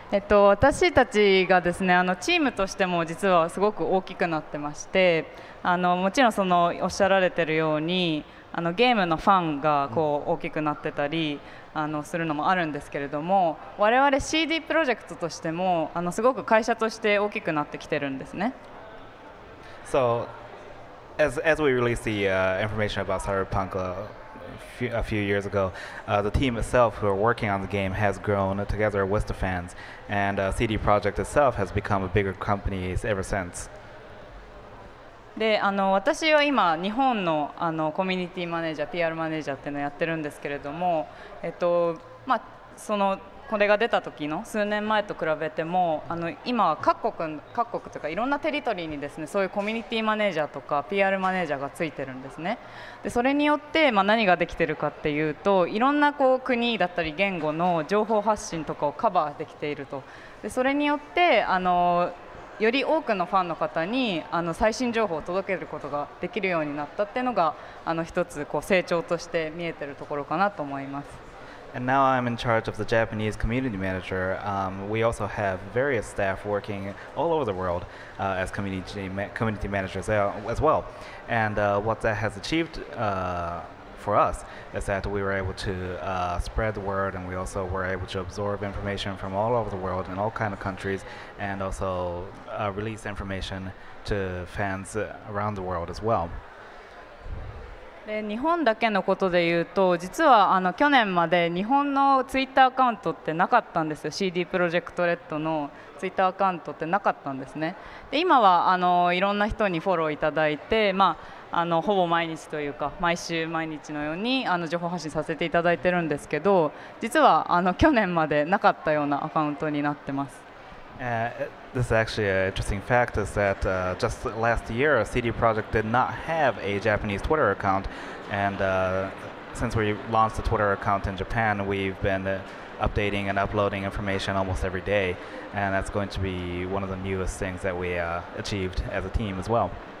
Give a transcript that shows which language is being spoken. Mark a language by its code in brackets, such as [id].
[ja] 私たちがですね、チームとしても実はすごく大きくなってまして、もちろんそのおっしゃられてるように、ゲームのファンがこう大きくなってたり、するのもあるんですけれども、我々 CD プロジェクトとしても、すごく会社として大きくなってきてるんですね。 [en] So, as we release the information about Cyberpunk, a few years ago, the team itself who are working on the game has grown together with the fans, and CD Projekt itself has become a bigger company ever since. [ja] で、私は今日本の、コミュニティマネージャー、PR マネージャーっていうのをやってるんですけれども、まあ、そのこれが出た時の数年前と比べても、今は各国というかいろんなテリトリーにですね、そういうコミュニティマネージャーとか PR マネージャーがついてるんですね。で、それによって、まあ、何ができてるかっていうと、いろんなこう国だったり言語の情報発信とかをカバーできていると。で、それによって、より多くのファンの方に最新情報を届けることができるようになったっていうのが一つこう成長として見えてるところかなと思います。 [en] And now I'm in charge of the Japanese community manager. We also have various staff working all over the world as community managers as well. And what that has achieved for us is that we were able to spread the word, and we also were able to absorb information from all over the world in all kinds of countries, and also release information to fans around the world as well. [ja] で日本だけのことで言うと実は去年まで日本のツイッターアカウントってなかったんですよ CD プロジェクトレッドのツイッターアカウントってなかったんですねで今はいろんな人にフォローいただいて、まあ、ほぼ毎日というか毎週毎日のように情報発信させていただいてるんですけど実は去年までなかったようなアカウントになってます [en] This is actually an interesting fact is that just last year CD Projekt did not have a Japanese Twitter account and since we launched the Twitter account in Japan we've been updating and uploading information almost every day and that's going to be one of the newest things that we achieved as a team as well.